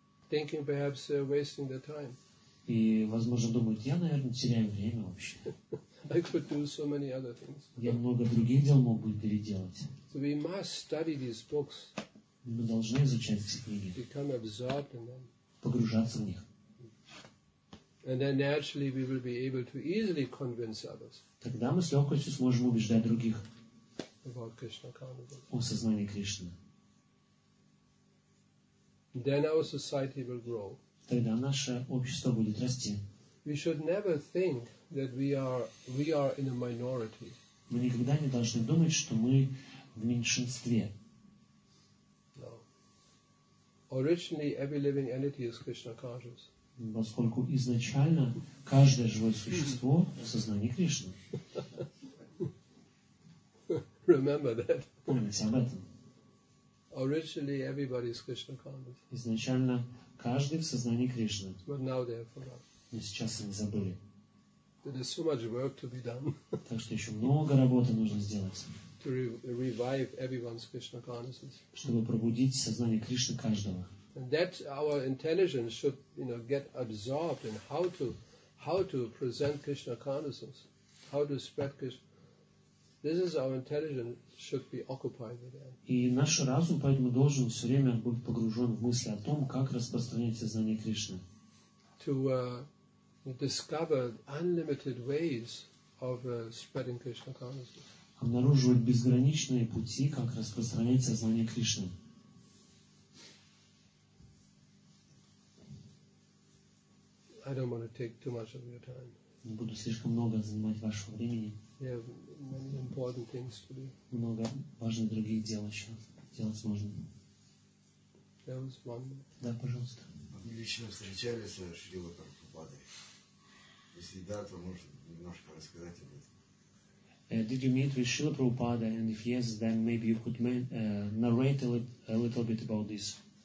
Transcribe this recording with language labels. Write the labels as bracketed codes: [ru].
[en] Thinking perhaps wasting their time. [ru] И, возможно, думают, я, наверное, теряю время вообще. [en] I could do so many other things. [ru] Я много других дел мог бы переделать. [en] So we must study these books. [ru] Мы должны изучать эти книги. [en] Become absorbed in them. [ru] Погружаться в них. [en] And then naturally we will be able to easily convince others. [ru] Тогда мы с легкостью сможем убеждать других. [en] About Krishna consciousness. [ru] О сознании Кришны. [en] Then our society will grow. [ru] Тогда наше общество будет расти. [en] We should never think that we are in a minority. [ru] Мы никогда не должны думать, что мы в меньшинстве. [en] No. Originally, every living entity is Krishna conscious. [ru] Поскольку изначально каждое живое существо в сознании Кришны. [en] Remember that. [ru] Помните об этом. [en] Originally everybody is Krishna conscious. [ru] Изначально каждый в сознании Кришны. [en] But now they have forgotten. [ru] И сейчас они забыли. [en] There is so much work to be done. [ru] Так что еще много работы нужно сделать. [en] To revive everyone's Krishna consciousness. [ru] Чтобы пробудить сознание Кришны каждого. [en] And that our intelligence should, you know, get absorbed in how to present Krishna consciousness, how to spread Krishna. This is our intelligence should be occupied with that. [ru] И наш разум поэтому должен все время быть погружен в мысли о том, как распространить сознание Кришны. [en] To discover unlimited ways of spreading Krishna consciousness. [ru] Обнаруживать безграничные пути, как распространять сознание Кришны. [en] I don't want to take too much of your time. [ru] Не буду слишком много занимать вашего времени. [en] We have many important things to do. [ru] Много важных других дел еще делать можно. [en] There was one more. [ru] Да, пожалуйста. Вы лично встречались с Шрилой Прабхупадой? Если да, то можно немножко рассказать об этом. [en] Did you meet with Шрила Прабхупада? And if yes, then maybe you could narrate a little bit about this.